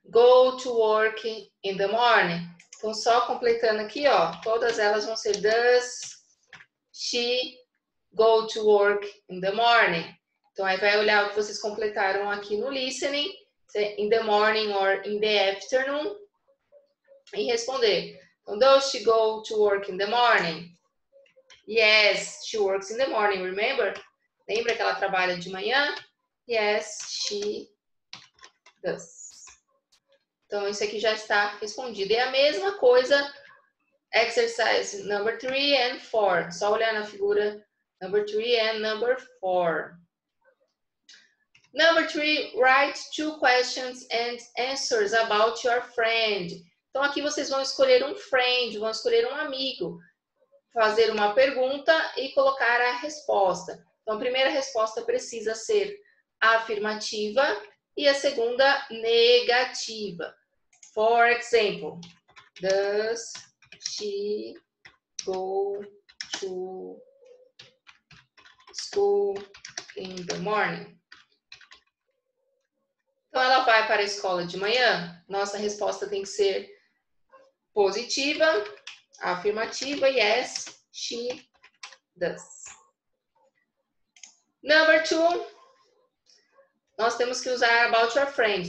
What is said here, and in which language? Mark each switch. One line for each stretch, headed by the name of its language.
English: Go to work in the morning.
Portuguese: Então, só completando aqui, ó. Todas elas vão ser
English: does she go to work in the morning.
Portuguese: Então, aí vai olhar o que vocês completaram aqui no listening.
English: In the morning or in the afternoon.
Portuguese: E responder.
English: Então, does she go to work in the morning? Yes, she works in the morning, remember?
Portuguese: Lembra que ela trabalha de manhã?
English: Yes, she does.
Portuguese: Então, isso aqui já está respondido. E a mesma coisa,
English: exercise number 3 and 4.
Portuguese: Só olhar na figura
English: number 3 and number 4. Number 3, write 2 questions and answers about your friend.
Portuguese: Então, aqui vocês vão escolher um friend, vão escolher um amigo. Fazer uma pergunta e colocar a resposta. Então, a primeira resposta precisa ser afirmativa. E a segunda, negativa.
English: For example, does she go to school in the morning?
Portuguese: Então, ela vai para a escola de manhã? Nossa resposta tem que ser positiva, afirmativa,
English: yes, she does. Number two.
Portuguese: Nós temos que usar
English: about your friend.